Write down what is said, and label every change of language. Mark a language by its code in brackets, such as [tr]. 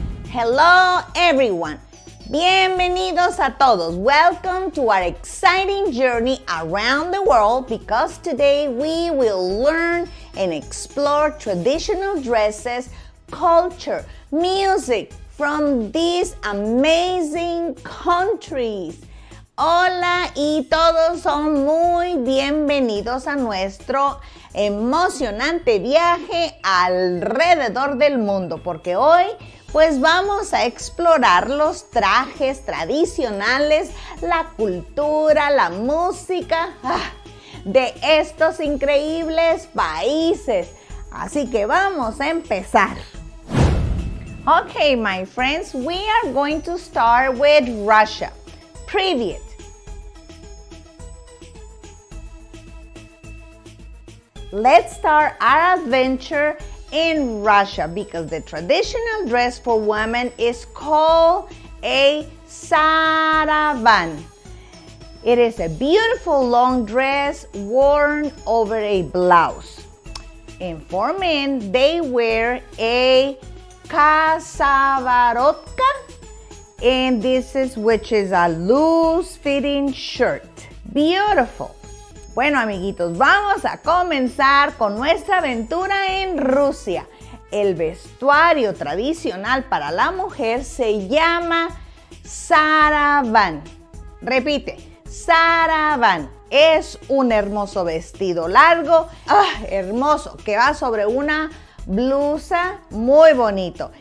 [en] Hello everyone, [es] bienvenidos a todos, [en] welcome to our exciting journey around the world because today we will learn and explore traditional dresses, culture, music from these amazing countries. [es] Hola y todos son muy bienvenidos a nuestro emocionante viaje alrededor del mundo porque hoy pues vamos a explorar los trajes tradicionales, la cultura, la música de estos increíbles países. Así que vamos a empezar. [en] Okay, my friends, we are going to start with Russia. [ru] Привет. [en] Let's start our adventure in Russia because the traditional dress for women is called a sarafan. It is a beautiful long dress worn over a blouse. And for men, they wear a kasavarotka, and this is which is a loose fitting shirt. Beautiful. [es] Bueno, amiguitos, vamos a comenzar con nuestra aventura en Rusia. El vestuario tradicional para la mujer se llama sarafán. Repite, sarafán. Es un hermoso vestido largo, hermoso, que va sobre una blusa muy bonito.